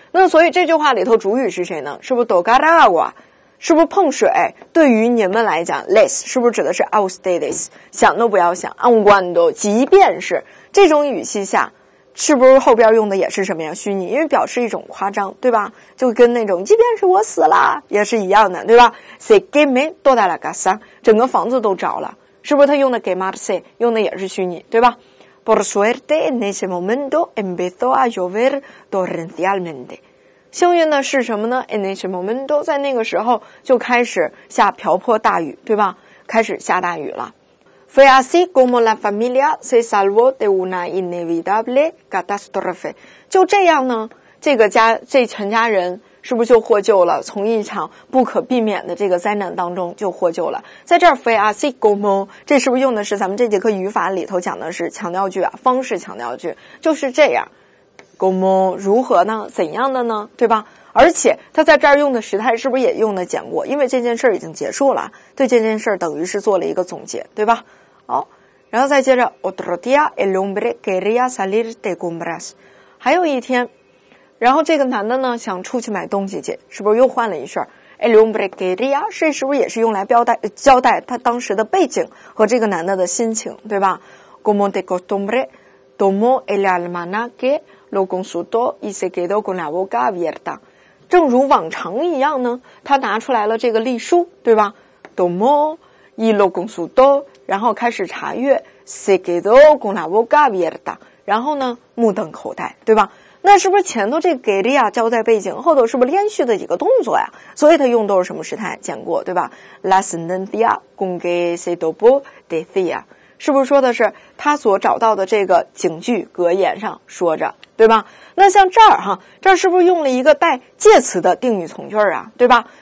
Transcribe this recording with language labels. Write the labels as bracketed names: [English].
[Chinese] 那所以这句话里头主语是谁呢，是不是 [Spanish] tocar agua, [Chinese] 是不是碰水，对于你们来讲 less, 是不是指的是 [Spanish] a ustedes, [Chinese] 想都不要想 [Spanish] aun cuando, [Chinese] 即便是，这种语气下是不是后边用的也是什么呀，虚拟，因为表示一种夸张，对吧，就跟那种即便是我死了也是一样的，对吧？ [Spanish] se queme toda la casa, [Chinese] 整个房子都着了，是不是他用的 quemarse, 用的也是虚拟，对吧？ [Spanish] Por suerte, en ese momento empezó a llover torrencialmente. [Chinese] 幸运的是什么呢？ [Spanish] En ese momento, [Chinese] 在那个时候就开始下瓢泼大雨，对吧？开始下大雨了。 [Spanish] Fue así como la familia se salvó de una inevitable catástrofe. [Chinese] 就这样呢，这个家，这全家人是不是就获救了，从一场不可避免的这个灾难当中就获救了。在这儿 [Spanish] fue así como, [Chinese] 这是不是用的是咱们这节课语法里头讲的是强调句啊，方式强调句，就是这样 como, 如何呢，怎样的呢，对吧？而且他在这儿用的时态是不是也用的简过，因为这件事已经结束了，对这件事等于是做了一个总结，对吧？好，然后再接着 [Spanish] otro día el hombre quería salir de compras, [Chinese] 还有一天，然后这个男的呢想出去买东西去，是不是又换了一身 ? [Spanish] El hombre quería, [Chinese] 是不是也是用来交代他当时的背景和这个男的的心情，对吧？ [Spanish] Como de costumbre, tomó el almanaque, lo consultó y se quedó con la boca abierta. [Chinese] 正如往常一样呢，他拿出来了这个历书，对吧？ [Spanish] Tomó y lo consultó, [Chinese] 然后开始查阅 [Spanish] ,se quedó con la boca abierta, [Chinese] 然后呢目瞪口呆，对吧？那是不是前头这个 quería 交代背景，后头是不是连续的几个动作呀，所以他用都是什么时态，简过，对吧？ [Spanish] La sentencia con que se topó decía, [Chinese] 是不是说的是他所找到的这个警句格言上说着，对吧？那像这儿哈，这儿是不是用了一个带介词的定语从句啊，对吧？